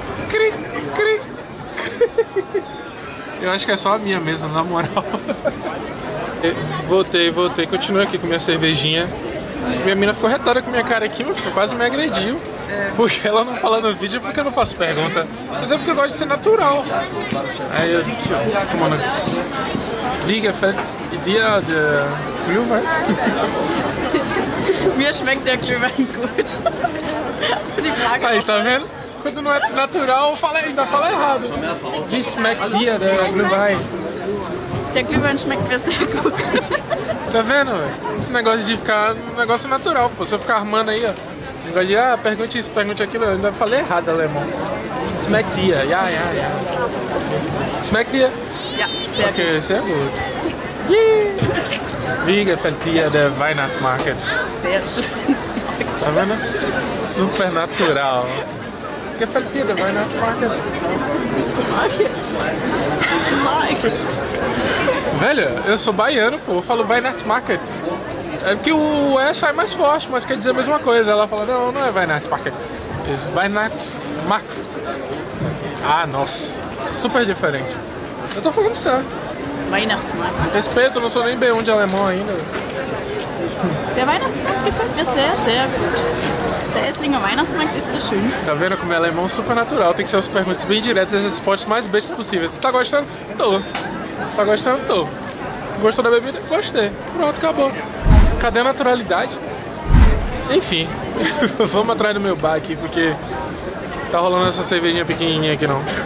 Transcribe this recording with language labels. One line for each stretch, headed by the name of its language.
Portuguese: Cri, cri, cri. Eu acho que é só a minha mesmo, na moral. Voltei. Continuo aqui com minha cervejinha. Minha mina ficou retada com minha cara aqui, quase me agrediu. Porque ela não fala no vídeo, é porque eu não faço pergunta. Mas é porque eu gosto de ser natural. Aí eu tô fumando.
German: Wie gefällt dir der Glühwein? Mir schmeckt der Glühwein gut.
Portuguese: Aí, tá vendo? Quando não é natural, ainda fala errado.
German: Wie schmeckt dir der Glühwein? Der Glühwein schmeckt mir sehr gut.
Portuguese: Tá vendo? Esse negócio de ficar... um negócio natural, pô. Se eu ficar armando aí, ó. O negócio de, ah, pergunte isso, pergunte aquilo. Eu ainda falei errado, alemão.
German: Schmeck dir. Ja, ja, ja. Schmeck dir? Ja, sehr gut. Okay, sehr gut. Yeah. Wie gefällt dir der Weihnachtsmarkt? Sehr schön.
Portuguese: Tá vendo? Super natural. Que é feliz, vai na market. Velho, eu sou baiano, pô. Eu falo vai na market. É que o E sai mais forte, mas quer dizer a mesma coisa. Ela fala, não, não é vai na market. Diz vai na market. Ah, nossa. Super diferente. Eu tô falando sério. Vai na market. Respeito, eu não sou nem B1 de alemão ainda.
German: Der Weihnachtsmarkt gefällt mir sehr, sehr gut. Der Esslinger Weihnachtsmarkt ist der schönste.
Portuguese: Tá vendo como é alemão? Super natural. Tem que ser umas perguntas bem diretas e as respostas mais bestas possíveis. Tá gostando? Tô. Tá gostando? Tô. Gostou da bebida? Gostei. Pronto, acabou. Cadê a naturalidade? Enfim, vamos atrás do meu bar aqui, porque tá rolando essa cervejinha pequenininha aqui não.